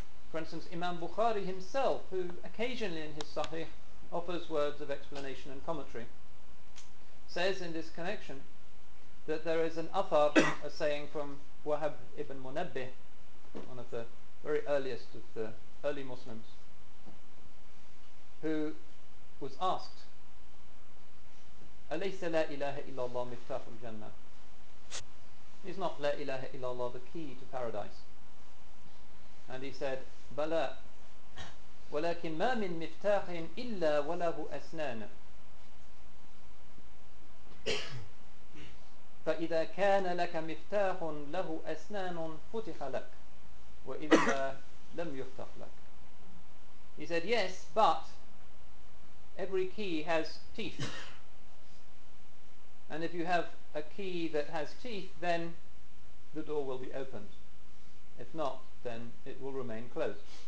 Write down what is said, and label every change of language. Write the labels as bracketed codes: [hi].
[en] For instance, Imam Bukhari himself, who occasionally in his sahih offers words of explanation and commentary, says in this connection that there is an athar, a saying from Wahab ibn Munabbih, one of the very earliest of the early Muslims, who was asked, [ar] أَلَيْسَ لَا إِلَهَ إِلَّا اللَّهُ مِفْتَحُ الْجَنَّةِ, [en] is not [ar] لَا إِلَهَ إِلَّا اللَّهُ [en] the key to paradise? And he said, [ar] بَلَا وَلَكِنْ مَا مِنْ مِفْتَاحٍ إِلَّا وَلَهُ أَسْنَانَ فَإِذَا كَانَ لَكَ مِفْتَاحٌ لَهُ أَسْنَانٌ فُتِحَ لَكَ وَإِلَّا لَمْ يُفْتَحْ لَكَ. [en] He said, yes, but every key has teeth. And if you have a key that has teeth, then the door will be opened. If not, then it will remain closed.